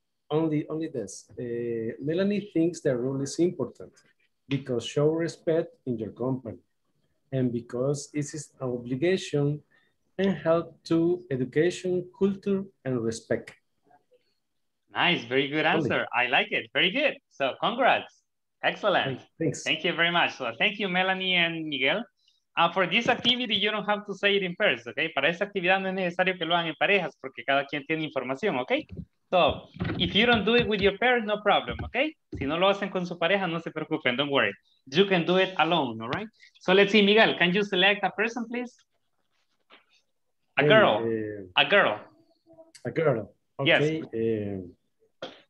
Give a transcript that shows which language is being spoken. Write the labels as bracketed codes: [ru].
[en] Only this. Melanie thinks the rule is important because show respect in your company and because it is an obligation and help to education, culture, and respect. Nice, very good answer. Only. I like it, very good. So congrats, excellent. Thanks. Thank you very much. So thank you, Melanie and Miguel. For this activity, you don't have to say it in pairs, okay? [es] Para esta actividad no es necesario que lo hagan en parejas porque cada quien tiene información, okay? [en] So, if you don't do it with your parents, no problem, okay? [es] Si no lo hacen con su pareja, no se preocupen, [en] don't worry. You can do it alone, all right? So, let's see, Miguel, can you select a person, please? A girl. A girl. A girl. Okay. Yes.